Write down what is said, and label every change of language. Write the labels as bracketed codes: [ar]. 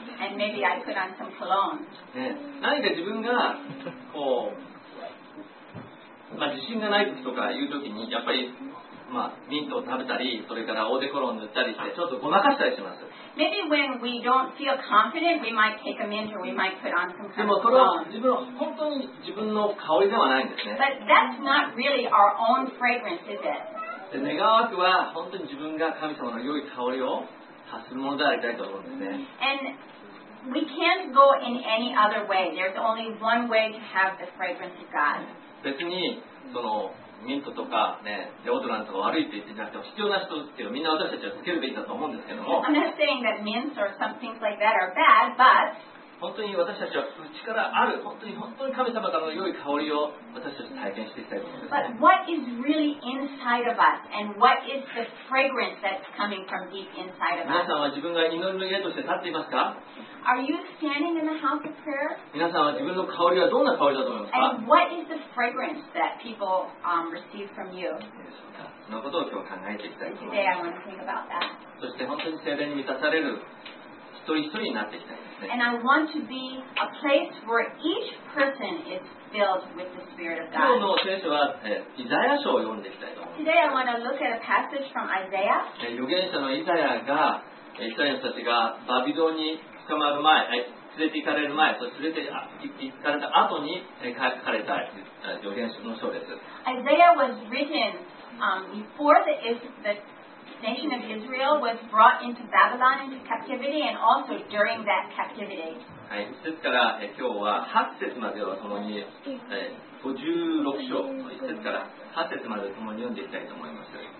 [en] And maybe I put on some cologne. [ja] 何か自分がこう、まあ、自信がない時とかいう時にやっぱり、まあ、ミントを食べたりそれからオーデコロンを塗ったりしてちょっとごまかしたりします。 [en] Maybe when we don't feel confident, we might take a mint or we might put on some cologne. [ja] でもそれは自分の本当に自分の香りではないんですね。 [en] But that's not really our own fragrance, is it? [ja] 願わくは本当に自分が神様の良い香りを発するものでありたいと思うんですね。 [en] AndWe can't go in any other way. There's only one way to have the fragrance of God. [ja] 別にそのミントとか、ね、デオドランとか悪いって言ってなくても必要な人っていうのみんな私たちはつけるべきだと思うんですけども、 [en] I'm not saying that mints or something like that are bad, but [ja] 本当に私たちは内からある本当に神様からの良い香りを私たちは体験していきたいと思います。 [en] But what is really inside of us and what is the fragrance that's coming from deep inside of us? [ja] 皆さんは自分が祈りの家として立っていますか？ [en] Are you standing in the house of prayer? [ja] 皆さんは自分の香りはどんな香りだと思いますか? [en] And what is the fragrance that people receive from you? [ja] そのことを今日考えていきたいと思います。 [en] Today I want to think about that. [ja] そして本当に聖霊に満たされる一人一人になっていきたいですね。 [en] And I want to be a place where each person is filled with the Spirit of God. [ja] 今日の聖書はイザヤ書を読んでいきたいと思います。 [en] Today I want to look at a passage from Isaiah. [ja] 預言者のイザヤがイザヤの人たちがバビロンに捕まる前、連れて行かれる前、そして連れて行かれた後に書かれた預言書の書です。 [en] Isaiah was written before the nation of Israel was brought into Babylon into captivity and also during that captivity. [ja] はい、ですから今日は8節まではともに、56章の1節から8節までともに読んでいきたいと思います。